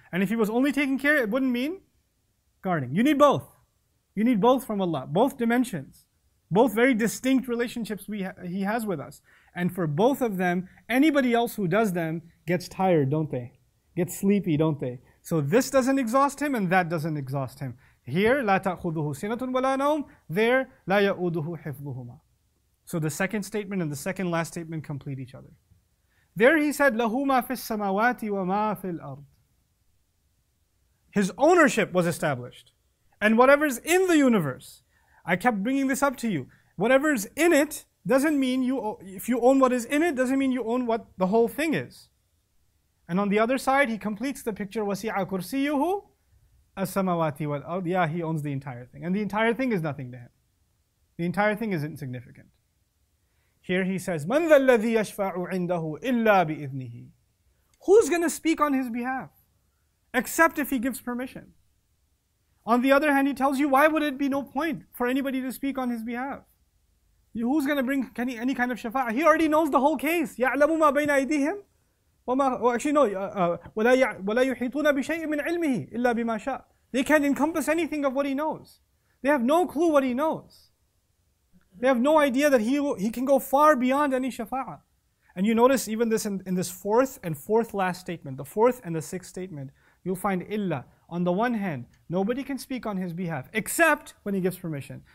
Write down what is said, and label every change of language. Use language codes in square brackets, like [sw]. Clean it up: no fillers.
[en] And if he was only taking care, it wouldn't mean guarding. You need both. You need both from Allah, both dimensions. Both very distinct relationships he has with us. And for both of them, anybody else who does them gets tired, don't they? Gets sleepy, don't they? So this doesn't exhaust him and that doesn't exhaust him. Here, [ar] لا تأخذه سنة ولا نوم. [en] There, [ar] لا يؤده حفظهما. [en] So the second statement and the second last statement complete each other. There he said, [ar] له ما في السماوات وما في الأرض. [en] His ownership was established. And whatever's in the universe, I kept bringing this up to you. Whatever's in it doesn't mean you, if you own what is in it, doesn't mean you own what the whole thing is. And on the other side, he completes the picture, [ar] وَسِعَ كُرْسِيُّهُ As-samawati wal-ard. [en] Yeah, he owns the entire thing. And the entire thing is nothing to him. The entire thing is insignificant. Here he says, [ar] مَنْ ذَا الَّذِي يَشْفَعُ عِنْدَهُ إِلَّا بِإِذْنِهِ [en] Who's going to speak on his behalf? Except if he gives permission. On the other hand, he tells you, why would it be no point for anybody to speak on his behalf? Who's going to bring any kind of shafa'a? He already knows the whole case. [ar] يَعْلَمُ مَا بَيْنَ أَيْدِيهِمْ وَلَا يُحِيطُونَ بِشَيْءٍ مِنْ عِلْمِهِ إِلَّا بِمَا شَاءَ [en] They can't encompass anything of what he knows. They have no clue what he knows. They have no idea that he can go far beyond any shafa'a. And you notice even this in this fourth and fourth last statement, the fourth and the sixth statement, you'll find إِلَّا. On the one hand, nobody can speak on his behalf except when he gives permission.